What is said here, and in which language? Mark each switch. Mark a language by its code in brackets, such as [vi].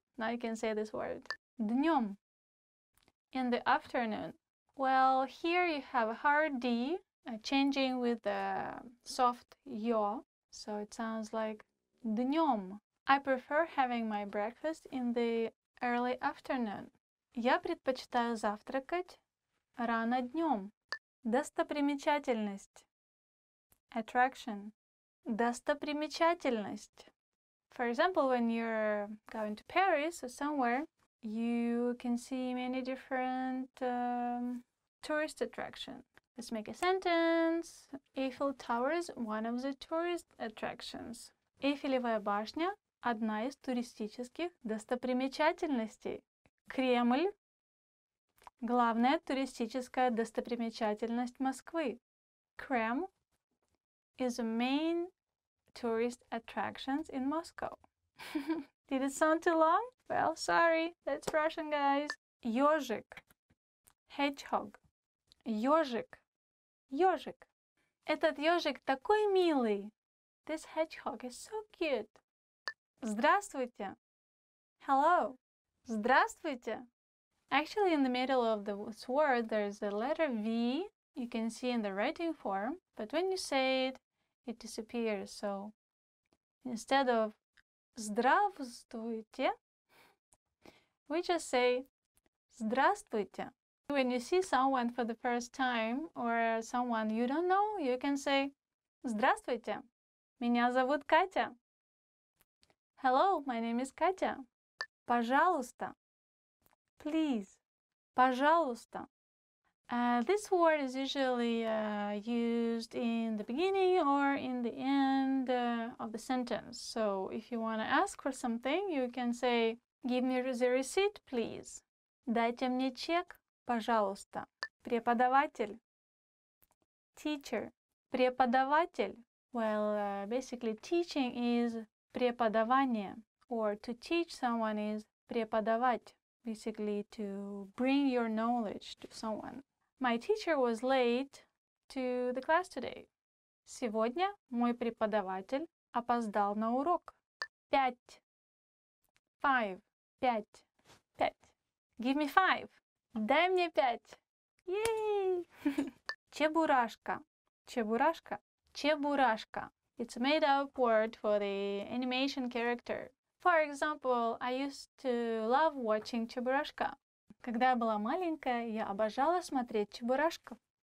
[en] Now you can say this word. Днём. In the afternoon. Well, here you have a hard D. Changing with the soft yo, so it sounds like днём. I prefer having my breakfast in the early afternoon. [ru] Я предпочитаю завтракать рано днём. Достопримечательность. [en] Attraction. [ru] Достопримечательность. [en] For example, when you're going to Paris or somewhere, you can see many different tourist attractions. Let's make a sentence. Eiffel Tower is one of the tourist attractions. [ru] Эйфелевая башня – одна из туристических достопримечательностей. Кремль – главная туристическая достопримечательность Москвы. [en] Крем is a main tourist attraction in Moscow. Did it sound too long? Well, sorry, that's Russian, guys. [ru] Ёжик – hedgehog. Ёжик. Ёжик. Этот ёжик такой милый. [en] This hedgehog is so cute. [ru] Здравствуйте. [en] Hello. [ru] Здравствуйте. [en] Actually, in the middle of this word, there is a letter V you can see in the writing form. But when you say it, it disappears. So instead of [ru] здравствуйте, [en] we just say здравствуйте. When you see someone for the first time or someone you don't know, you can say [ru] Здравствуйте, меня зовут Катя. [en] Hello, my name is Катя. [ru] Пожалуйста. [en] Please. [ru] Пожалуйста. [en] This word is usually used in the beginning or in the end of the sentence. So if you want to ask for something, you can say give me the receipt, please. [ru] Дайте мне чек. Пожалуйста. Преподаватель. [en] Teacher. [ru] Преподаватель. [en] Well, basically teaching is преподавание. Or to teach someone is преподавать. Basically to bring your knowledge to someone. My teacher was late to the class today. [ru] Сегодня мой преподаватель опоздал на урок. Пять. [en] Five. [ru] Пять. Пять. [en] Give me five. [ru] Дай мне пять. [en] Yay! [ru] Чебурашка. Чебурашка. Чебурашка. [en] It's a made-up word for the animation character. For example, I used to love watching Чебурашка. [ru] Когда я была маленькая, я обожала смотреть Чебурашку.